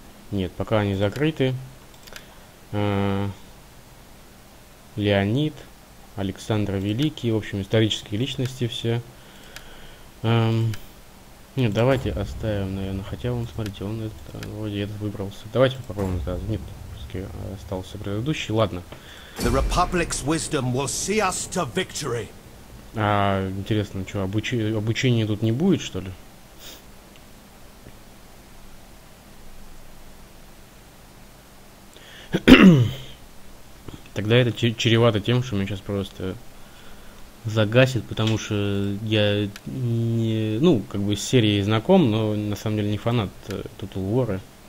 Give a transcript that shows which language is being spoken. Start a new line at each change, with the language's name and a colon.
Russian: Нет, пока они закрыты. Леонид, Александр Великий, в общем, исторические личности все. Нет, давайте оставим, наверное, хотя он, смотрите, он вроде этот выбрался. Давайте попробуем сразу. Нет, пускай остался предыдущий, ладно.
English: The Republic's wisdom will see us to victory.
Russian: А, интересно, что, обучения тут не будет, что ли? Тогда это чревато тем, что меня сейчас просто загасит, потому что я не, ну, как бы с серией знаком, но на самом деле не фанат Total War.